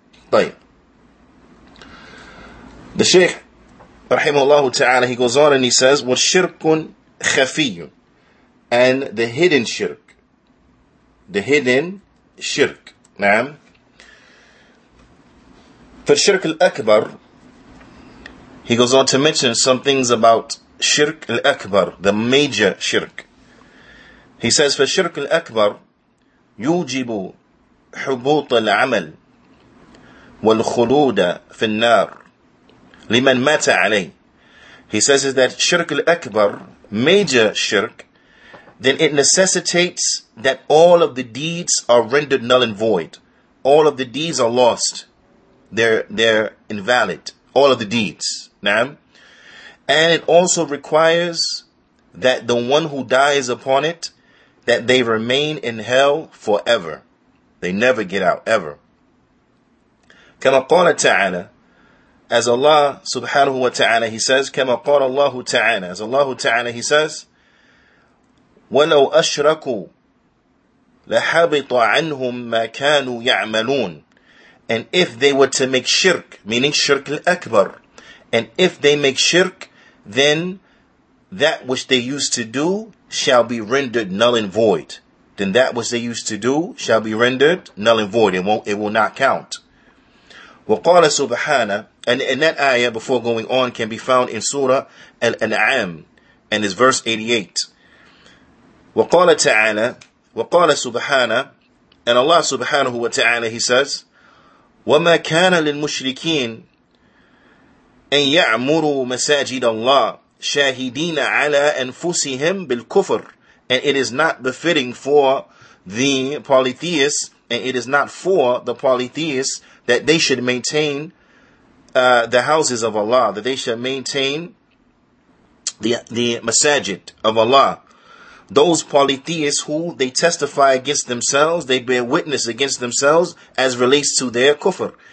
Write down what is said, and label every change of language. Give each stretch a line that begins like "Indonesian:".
English: The Shaykh, rahimahullah ta'ala, he goes on and he says,
Arabic: وَشِرْكٌ خَفِيٌّ,
English: and the hidden shirk. The hidden shirk.
Arabic: نعم. فَالشِرْكُ الْأَكْبَر,
English: he goes on to mention some things about shirk al-akbar, the major shirk. He says,
Arabic: فَالشِرْكُ الْأَكْبَر يُوجِبُ حُبُوطَ الْعَمَلِ وَالْخُلُودَ فِي النَّارِ لِمَنْ مَاتَ عَلَيْهِ.
English: He says is that shirk al-akbar, major shirk, then it necessitates that all of the deeds are rendered null and void. All of the deeds are lost. They're invalid. All of the deeds. Naam? And it also requires that the one who dies upon it, that they remain in hell forever. They never get out, ever.
Arabic: كما قال تعالى
English: As Allah subhanahu wa ta'ala, he says,
Arabic: كَمَا قَالَ اللَّهُ تَعَالَى.
English: As Allah ta'ala, he says,
Arabic: وَلَوْ أَشْرَكُوا لَحَبِطَ عَنْهُمْ مَا كَانُوا يَعْمَلُونَ.
English: And if they were to make shirk, meaning shirk al-akbar, and if they make shirk, then that which they used to do shall be rendered null and void. Then that which they used to do shall be rendered null and void. It will not count.
Arabic: وَقَالَ سُبْحَانَ.
English: And that ayah, before going on, can be found in Surah Al-An'am, and it's verse 88.
Arabic: وَقَالَ تَعَالَى وَقَالَ سُبْحَانَ.
English: And Allah subhanahu wa ta'ala, he says,
Arabic: وَمَا كَانَ لِلْمُشْرِكِينَ أَن يَعْمُرُوا مَسَاجِدَ اللَّهِ شَاهِدِينَ عَلَىٰ أَنفُسِهِمْ بِالْكُفْرِ.
English: And it is not befitting for the polytheists, and it is not for the polytheists that they should maintain the houses of Allah, that they should maintain the masajid of Allah. Those polytheists who they testify against themselves, they bear witness against themselves as relates to their kufr.